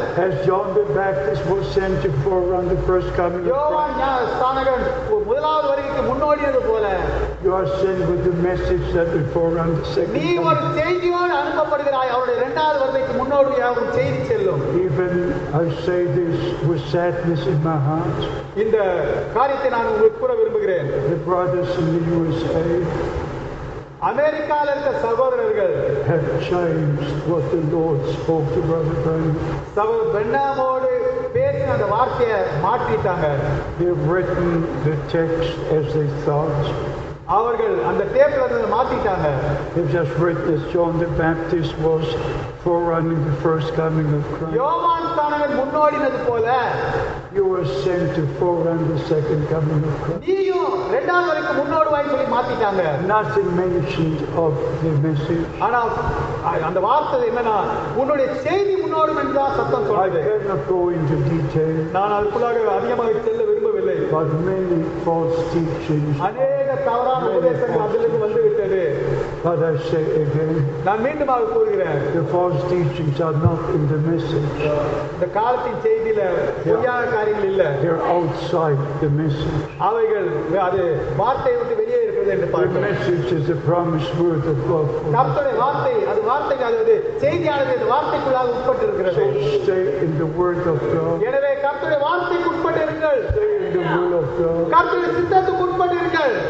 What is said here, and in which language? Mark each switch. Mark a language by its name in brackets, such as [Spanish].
[English] as John the Baptist was sent to forerun the first coming of [Tamil] யோவான் ஸ்நானகன் முதலாவது வருகைக்கு முன்னோடியது போல [English] you are sent with the message that will forerun the second [Tamil] நீ ஒரு செய்தியோடு அனுப்பப்படுகிறாய் அவருடைய இரண்டாவது வருகைக்கு முன்னோடியாக ஒரு செய்தி செல்லும் [English] even I say this with sadness in my heart [Tamil] இந்த காரியத்தை நான் உங்களுக்கு கூற விரும்புகிறேன் [English] the brothers in the USA [Tamil] அமெரிக்கால இருந்த சகோதரர்கள் [English] have changed what the Lord spoke to Brother Branham [Tamil] சகோதர பிரண்ணாமோடு பேசின அந்த வார்த்தையை மாற்றிட்டாங்க [English] they've written the text as they thought [Tamil] அவர்கள் அந்த டேப்ல இருந்து மாத்திட்டாங்க [English] they've just written this John the Baptist was forerunning the first coming of Christ [Tamil] யோவான் ஸ்நானகன் முன்னோடினது போல [English] you were sent to forerun the second coming of Christ [Tamil] நீயும் இரண்டாவது வருகைக்கு முன்னோடுவாய்னு சொல்லி மாத்திட்டாங்க [English] nothing mentioned of the message [Tamil] ஆனா அந்த வார்த்தை என்னன்னா உன்னுடைய செய்தி முன்னோடும் என்று தான் சத்தம் சொல்றது [English] I cannot go into detail [Tamil] நான் அதுக்குள்ளாக அதிகமாக செல்ல விரும்பவில்லை [English] but many false teachings [Tamil] அநேக தவறான உபதேசங்கள் அதிலிருந்து வந்துவிட்டது [English] But I say again, [Tamil] நான் மீண்டும் அதை கூறுகிறேன் [English] the false teachings are not in the message [Tamil] the காலத்தின் செய்தியில பொய்யான காரியங்கள் இல்ல [English] they are outside the message [Tamil] அவைகள் அது வார்த்தையை விட்டு வெளியே இருக்குது என்று பார்க்கிறோம் [English] the message is a promised word of God [Tamil] கர்த்தருடைய வார்த்தை அது வார்த்தைக்கு அது செய்தியானது அந்த வார்த்தைக்குள்ளாக உட்பட்டிருக்கிறது [English] stay in the word of God [Tamil] எனவே கர்த்தருடைய வார்த்தைக்கு உட்பட்டிருங்கள் [English] stay in the will of God [Tamil] கர்த்தருடைய சித்தத்துக்கு உட்பட்டிருங்கள்